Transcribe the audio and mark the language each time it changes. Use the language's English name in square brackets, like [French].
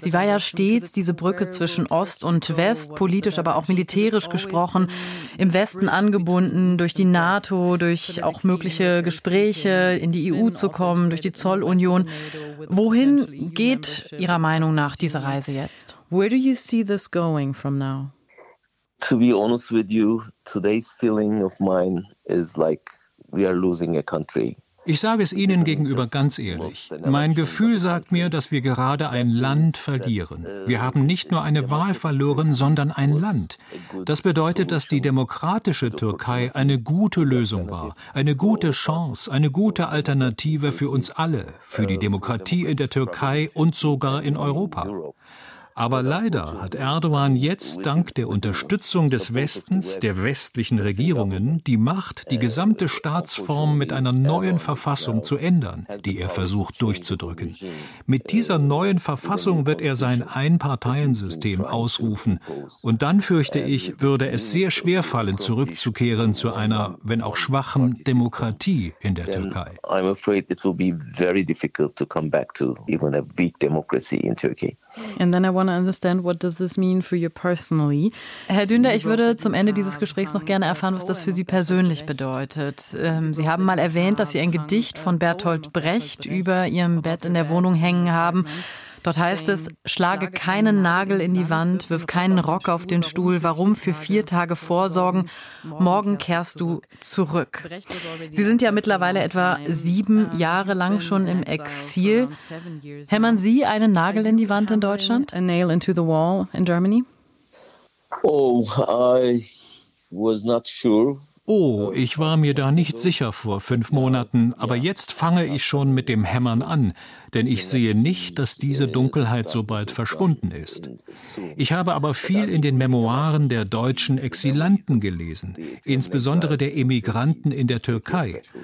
[German] Sie war ja stets diese Brücke zwischen Ost und West, politisch, aber auch militärisch gesprochen, im Westen angebunden, durch die NATO, durch auch mögliche Gespräche in die EU zu kommen, durch die Zollunion. Wohin geht Ihrer Meinung nach diese Reise jetzt? [English] Where do you see this going from now? To be honest with you, today's feeling of mine is like we are losing a country. [German] Ich sage es Ihnen gegenüber ganz ehrlich. Mein Gefühl sagt mir, dass wir gerade ein Land verlieren. Wir haben nicht nur eine Wahl verloren, sondern ein Land. Das bedeutet, dass die demokratische Türkei eine gute Lösung war, eine gute Chance, eine gute Alternative für uns alle, für die Demokratie in der Türkei und sogar in Europa. Aber leider hat Erdogan jetzt dank der Unterstützung des Westens, der westlichen Regierungen, die Macht, die gesamte Staatsform mit einer neuen Verfassung zu ändern, die er versucht durchzudrücken. Mit dieser neuen Verfassung wird er sein Einparteiensystem ausrufen. Und dann, fürchte ich, würde es sehr schwer fallen, zurückzukehren zu einer, wenn auch schwachen, Demokratie in der Türkei. [English] I'm afraid it will be very difficult to come back to even a weak democracy in Turkey. And then I want to understand, what does this mean for you personally? [German] Herr Dündar, ich würde zum Ende dieses Gesprächs noch gerne erfahren, was das für Sie persönlich bedeutet. Sie haben mal erwähnt, dass Sie ein Gedicht von Bertolt Brecht über Ihrem Bett in der Wohnung hängen haben. Dort heißt es: Schlage keinen Nagel in die Wand, wirf keinen Rock auf den Stuhl, warum für 4 Tage vorsorgen, morgen kehrst du zurück. Sie sind ja mittlerweile etwa 7 Jahre lang schon im Exil. Hämmern Sie einen Nagel in die Wand in Deutschland? [English] A nail into the wall in Germany? Oh, I was not sure. [German] Oh, ich war mir da nicht sicher vor 5 Monaten, aber jetzt fange ich schon mit dem Hämmern an, denn ich sehe nicht, dass diese Dunkelheit so bald verschwunden ist. Ich habe aber viel in den Memoiren der deutschen Exilanten gelesen, insbesondere der Emigranten in der Türkei.